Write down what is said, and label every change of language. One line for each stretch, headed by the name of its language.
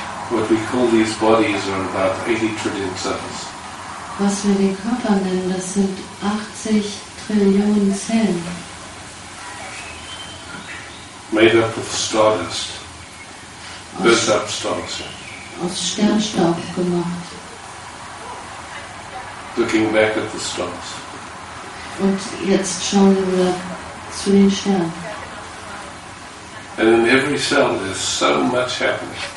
English: What we call these bodies are about 80 trillion cells.
German: Was wir den Körper nennen, das sind 80 Trillionen Zellen.
English: Made up of stardust. Built-up stardust.
German: Aus Sternstaub gemacht.
English: Looking back at the stars.
German: Und jetzt schauen wir wieder zu den Sternen.
English: And in every cell there's so much happening.